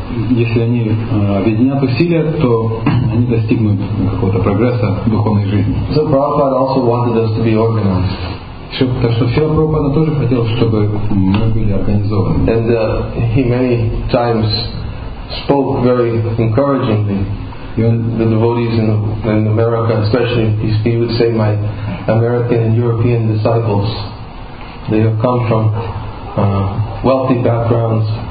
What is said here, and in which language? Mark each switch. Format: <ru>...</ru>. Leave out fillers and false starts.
<ru>Если они объединят усилия, то они достигнут какого-то прогресса в духовной жизни.</ru> <en>So Prabhupada also wanted us to be organized.</en> <ru>Так что Сила Прабхупада тоже хотел, чтобы мы были организованы.</ru> <en>And he many times spoke very encouragingly. The devotees in America, especially, he would say, my American and European disciples. They have come from wealthy backgrounds.</en>